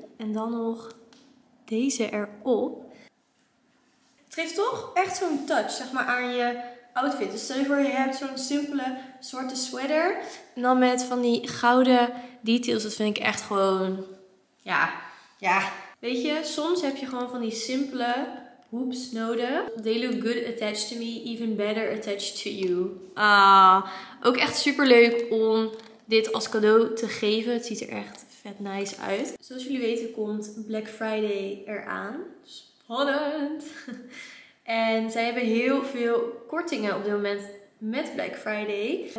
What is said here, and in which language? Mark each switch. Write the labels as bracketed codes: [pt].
[nl] En dan nog deze erop. Het geeft toch echt zo'n touch, zeg maar, aan je outfit. Dus stel je voor, je hebt zo'n simpele zwarte sweater. En dan met van die gouden details. Dat vind ik echt gewoon, ja. Ja. Weet je, soms heb je gewoon van die simpele hoops nodig. [en] They look good attached to me, even better attached to you. [nl] Ah, ook echt super leuk om dit als cadeau te geven. Het ziet er echt vet nice uit. Zoals jullie weten komt Black Friday eraan. Spannend! En zij hebben heel veel kortingen op dit moment met Black Friday.